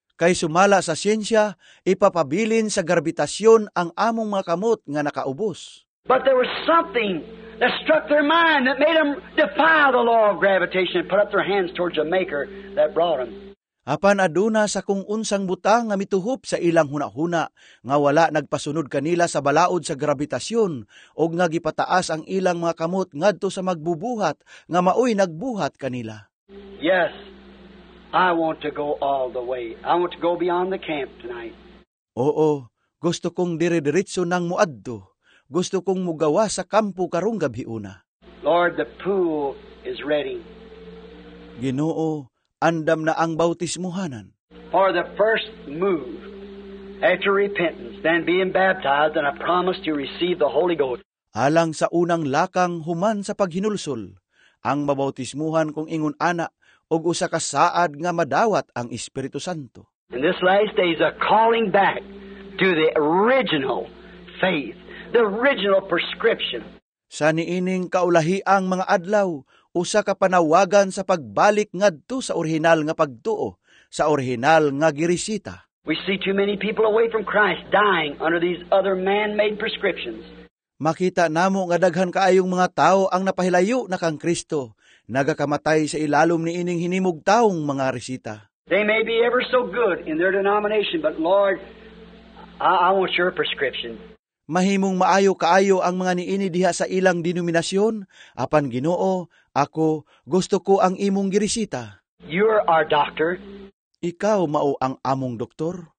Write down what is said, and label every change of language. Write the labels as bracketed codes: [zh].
[ceb] Kay sumala sa siyensya, ipapabilin sa gravitasyon ang among mga kamot nga nakaubos. [en] But there was something that struck their mind that made them defy the law of gravitation and put up their hands towards the maker that brought them. [ceb] Apan aduna sa kung unsang butang nga mituhop sa ilang hunahuna nga wala nagpasunod kanila sa balaod sa gravitasyon og nga gipataas ang ilang mga kamot ngadto sa magbubuhat nga mao'y nagbuhat kanila. [en] Yes, I want to go all the way. I want to go beyond the camp tonight. [ceb] Oo, gusto kong dire-diretso nang muadto. Gusto kong mugawa sa kampo karong gabi una. [en] Lord, the pool is ready. [ceb] Ginoo, andam na ang bautismuhanan. [en] For the first move after repentance, then being baptized, and I promise to receive the Holy Ghost. [ceb] Alang sa unang lakang human sa paghinulsol, ang mabautismuhan kong ingon ana og usa ka saad nga madawat ang Espiritu Santo. [en] In this last day is a calling back to the original faith, the original prescription. [ceb] Sa niining kaulahiang mga adlaw, usa ka panawagan sa pagbalik ngadto sa orihinal nga pagtuo, sa orihinal nga girisita. [en] We see too many people away from Christ dying under these other man-made prescriptions. [ceb] Makita namo nga daghan kaayong mga tao ang napahilayo na kang Kristo, nagakamatay sa ilalom ni ining hinimugtaong mga resita. [en] They may be ever so good in their denomination, but Lord, I want your prescription. [ceb] Mahimong maayo kaayo ang mga niini diha sa ilang denominasyon, apan Ginoo, ako gusto ko ang imong girisita. [en] You're our doctor. [ceb] Ikaw mao ang among doktor.